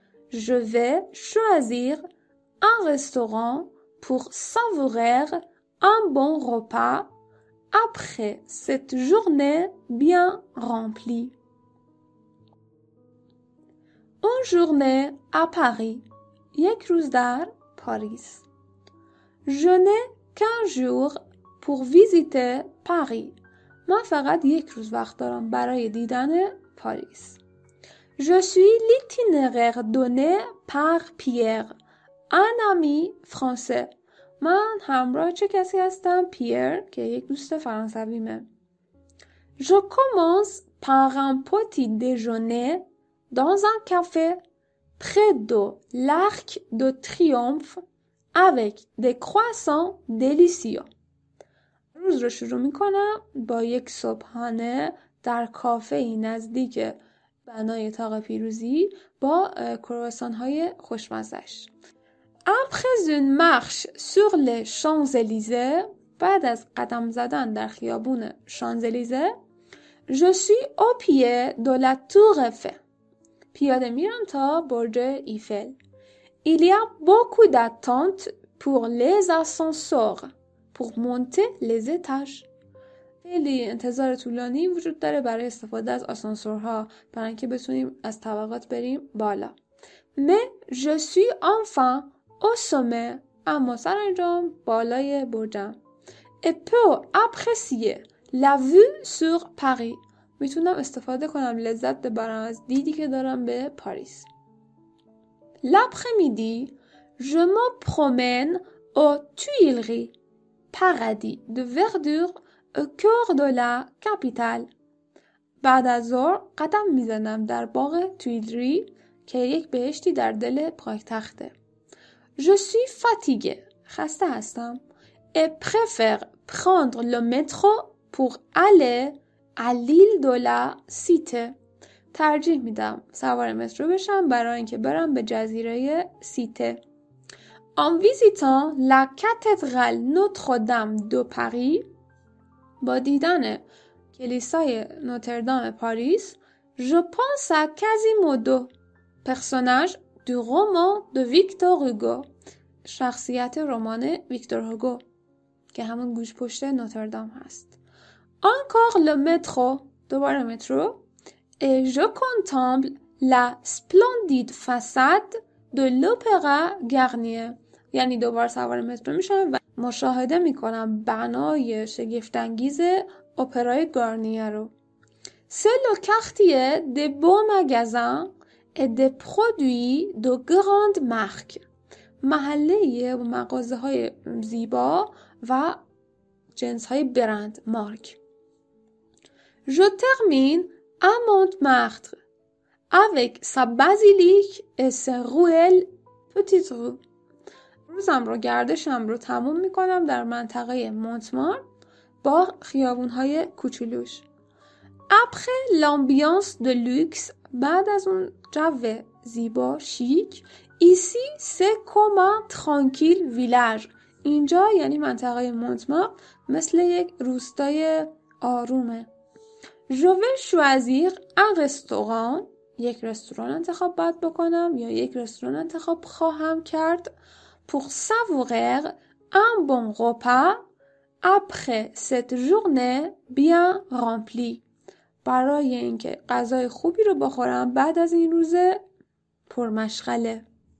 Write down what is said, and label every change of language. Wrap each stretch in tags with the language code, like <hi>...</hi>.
<fr>Je vais choisir un restaurant pour savourer un bon repas après cette journée bien remplie. Une journée à Paris.</fr> <fa>Yekruzdar Paris.</fa> <fr>Je n'ai qu'un jour pour visiter Paris.</fr> <fa>من فقط یک روز وقت دارم برای دیدن پاریس.</fa> <fr>Je suis l'itinéraire donné par Pierre, un ami français.</fr> <fa>من همراه چه کسی هستم؟ پیر که یک دوست فرانسویمه.</fa> <fr>Je commence par un petit déjeuner dans un café près de l'Arc de Triomphe avec des croissants délicieux.</fr> <fa>روز رو شروع میکنم با یک صبحانه در کافه ای نزدیک بنای طاق پیروزی با کرواسان های خوشمزش.</fa> <fr>Après une marche sur les Champs-Élysées,</fr> <fa>بعد از قدم زدن در خیابون شانزلیزه,</fa> <fr>je suis au pied de la Tour Eiffel.</fr> <fa>پیاده میرم تا برج ایفل.</fa> <fr>Il y a beaucoup d'attentes pour les ascenseurs. Pour monter les étages.</fr> <fa>خیلی انتظار طولانی وجود داره برای استفاده از آسانسورها برای اینکه بتونیم از طبقات بریم بالا.</fa> <fr>Mais je suis enfin au sommet.</fr> <fa>اما سرانجام بالای برجم.</fa> <fr>Et peux apprécier la vue sur Paris.</fr> <fa>میتونم استفاده کنم لذت ببرم از دیدی که دارم به پاریس.</fa> <fr>L'après-midi, je me promène aux Tuileries. Paradis de verdure au cœur de la capitale.</fr> <fa>بعد از ظهر قدم میزنم در باغ تویلری که یک بهشتی در دل پایتخته.</fa> <fr>Je suis fatigué.</fr> <fa>خسته هستم.</fa> <fr>Et préfère prendre le métro pour aller à l'île de la Cité.</fr> <fa>ترجیح میدم سوار مترو بشم برای اینکه برم به جزیره سیته.</fa> <fr>En visitant la cathédrale Notre-Dame de Paris,</fr> <fa>با دیدن کلیسای نوتردام پاریس,</fa> <fr>je pense à Quasimodo, personnage du roman de Victor Hugo.</fr> <fa>شخصیت رمان ویکتور هوگو که همون گوش پشت نوتردام هست.</fa> <fr>Encore le métro,</fr> <fa>دوباره مترو,</fa> <fr>et je contemple la splendide façade de l'Opéra Garnier.</fr> <fa>یعنی دوباره سوار مترو میشم و مشاهده میکنم بنای شگفت انگیز اپرای گارنیه رو.</fa> <fr>C'est le quartier des beaux magasins et des produits de grandes marques.</fr> <fa>محله مغازه های زیبا و جنس های برند مارک.</fa> <fr>Je termine à Montmartre avec sa basilique et ses ruelles petites rues.</fr> <fa>روزم رو گردشم رو تموم میکنم در منطقه مونتمار با خیابون های کوچولوش.</fa> <fr>Après l'ambiance de luxe,</fr> <fa>بعد از اون جو زیبا شیک,</fa> <fr>ici c'est comme un tranquille village.</fr> <fa>اینجا یعنی منطقه مونتمار مثل یک روستای آرومه.</fa> <fr>Je vais choisir un restaurant.</fr> <fa>یک رستوران انتخاب باید بکنم یا یک رستوران انتخاب خواهم کرد.</fa> <fr>Pour savourer un bon repas après cette journée bien remplie.</fr> <fa>برای اینکه غذای خوبی رو بخورم بعد از این روز پرمشغله.</fa>